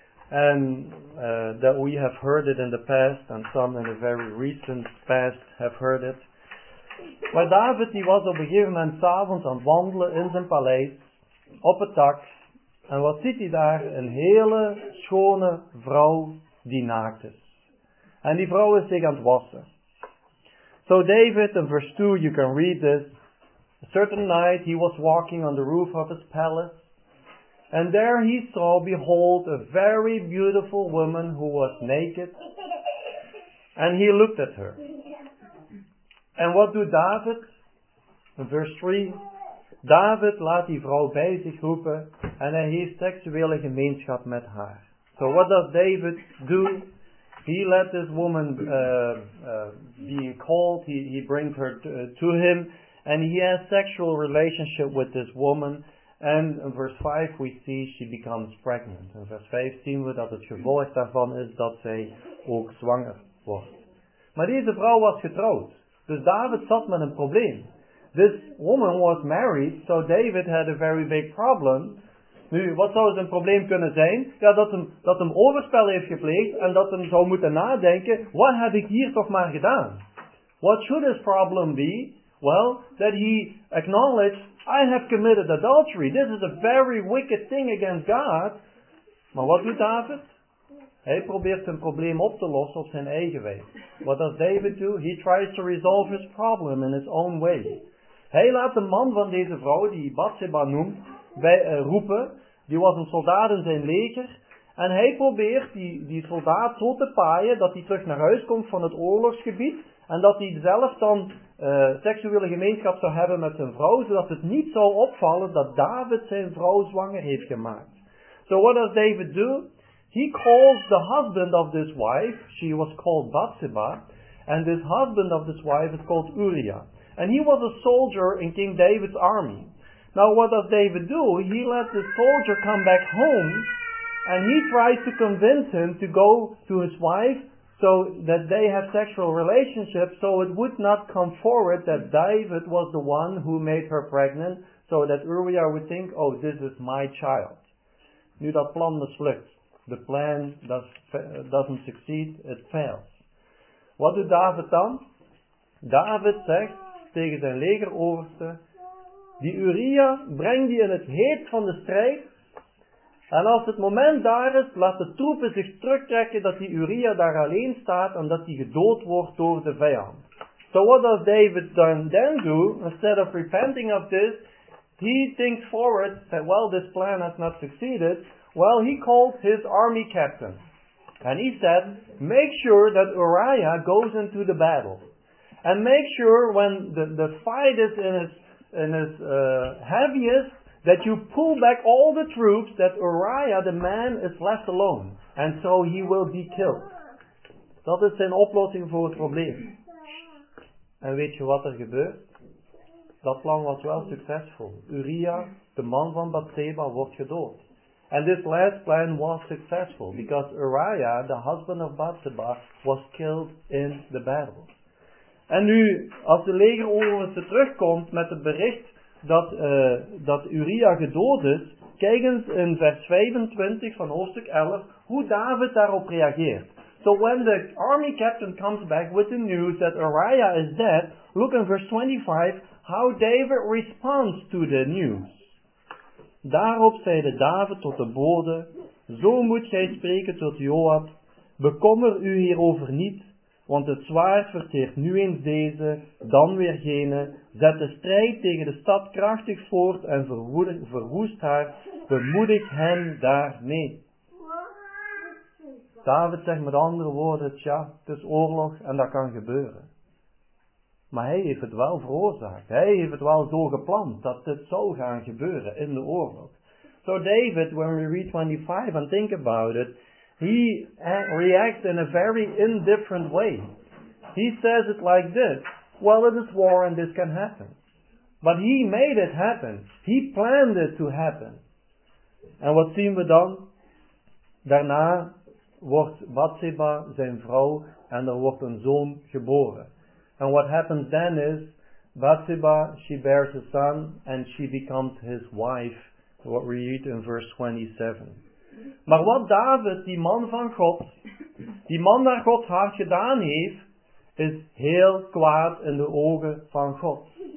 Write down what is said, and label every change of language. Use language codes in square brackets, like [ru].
[en] And that we have heard it in the past, and some in the very recent past have heard it. [nl] Maar David, die was op een gegeven moment 's avonds aan het wandelen in zijn paleis, op het dak. En wat ziet hij daar? Een hele schone vrouw. Die naakt is. En die vrouw is zich aan het wassen. [en] So David, in verse 2, you can read this. A certain night he was walking on the roof of his palace. And there he saw, behold, a very beautiful woman who was naked. And he looked at her. And what [nl] doet [en] David? [nl] In verse 3, David laat die vrouw bij zich roepen. En hij heeft seksuele gemeenschap met haar. [en] So what does David do? He let this woman being called. He brings her to him. And he has sexual relationship with this woman. And in verse 5 we see she becomes pregnant. [nl] In verse 5 zien we dat het gevolg daarvan is dat zij ook zwanger wordt. Maar deze vrouw was getrouwd. Dus David zat met een probleem. [en] This woman was married, so David had a very big problem. [nl] Nu, wat zou zijn probleem kunnen zijn? Ja, dat hem overspel heeft gepleegd en dat hem zou moeten nadenken, wat heb ik hier toch maar gedaan? [en] What should his problem be? Well, that he acknowledged, I have committed adultery. This is a very wicked thing against God. [nl] Maar wat doet David? Hij probeert zijn probleem op te lossen op zijn eigen weg. [en] What does David do? He tries to resolve his problem in his own way. [nl] Hij laat de man van deze vrouw, die Bathsheba noemt, roepen. Die was een soldaat in zijn leger. En hij probeert die soldaat zo te paaien dat hij terug naar huis komt van het oorlogsgebied. En dat hij zelf dan seksuele gemeenschap zou hebben met zijn vrouw, zodat het niet zou opvallen dat David zijn vrouw zwanger heeft gemaakt. [en] So what does David do? He calls the husband of this wife, she was called Bathsheba, and this husband of this wife is called Uriah. And he was a soldier in King David's army. Now what does David do? He lets the soldier come back home, and he tries to convince him to go to his wife, so that they have sexual relationships, so it would not come forward that David was the one who made her pregnant, so that Uriah would think, oh, this is my child. [nl] Nu dat plan mislukt. [en] The plan doesn't succeed, it fails. [nl] Wat doet David dan? David zegt tegen zijn legeroverste, die Uriah breng die in het heet van de strijd, en als het moment daar is, laat de troepen zich terugtrekken dat die Uriah daar alleen staat en dat hij gedood wordt door de vijand. [en] So what does David then do? Instead of repenting of this, he thinks forward that, well, this plan has not succeeded. Well, he called his army captain. And he said, make sure that Uriah goes into the battle. And make sure when the fight is in its heaviest, that you pull back all the troops, that Uriah, the man, is left alone. And so he will be killed. [nl] Dat is zijn oplossing voor het probleem. En weet je wat er gebeurt? Dat plan was wel succesvol. Uriah, de man van Bathsheba, wordt gedood. [en] And this last plan was successful. Because Uriah, the husband of Bathsheba, was killed in the battle. [nl] En nu, als de legeroverste terugkomt met het bericht dat Uriah gedood is, kijk eens in vers 25 van hoofdstuk 11, hoe David daarop reageert. [en] So when the army captain comes back with the news that Uriah is dead, look in verse 25, how David responds to the news. [nl] Daarop zeide David tot de bode, zo moet gij spreken tot Joab, bekommer u hierover niet, want het zwaard verteert nu eens deze, dan weer gene. Zet de strijd tegen de stad krachtig voort en verwoest haar. Bemoedig hem daarmee. David zegt met andere woorden, tja, het is oorlog en dat kan gebeuren. Maar hij heeft het wel veroorzaakt. Hij heeft het wel zo gepland dat dit zou gaan gebeuren in de oorlog. [en] So David, when we read 25 and think about it, he reacts in a very indifferent way. He says it like this. Well, it is war and this can happen. But he made it happen. He planned it to happen. [nl] En wat zien we dan? Daarna wordt Bathsheba zijn vrouw en er wordt een zoon geboren. [en] And what happens then is, Bathsheba, she bears a son and she becomes his wife. What we read in verse 27. [nl] Maar wat David, die man van God, die man naar Gods hart gedaan heeft, is heel kwaad in de ogen van God.